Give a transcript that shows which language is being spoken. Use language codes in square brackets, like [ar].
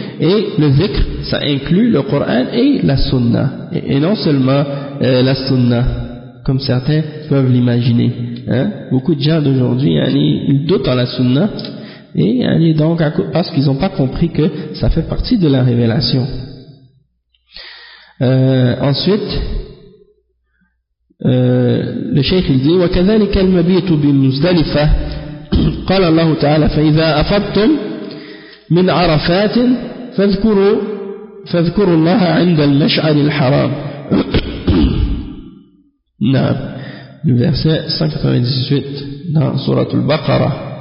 [fr] Et le dhikr ça inclut le Coran et la Sunna, et non seulement la Sunna comme certains peuvent l'imaginer, hein? Beaucoup de gens d'aujourd'hui ils doutent en la Sunna et donc parce qu'ils n'ont pas compris que ça fait partie de la révélation. Ensuite le cheikh il dit [ar] وَكَذَلِكَ الْمَبِيتُ بِمُزْدَلِفَةِ قَالَ اللَّهُ تَعَالَى فَإِذَا أَفَضْتُمْ مِنْ عَرَفَاتٍ فاذكروا الله عند المشعر الحرام. نعم. [fr] Le verset 198 dans Surat al-Baqara.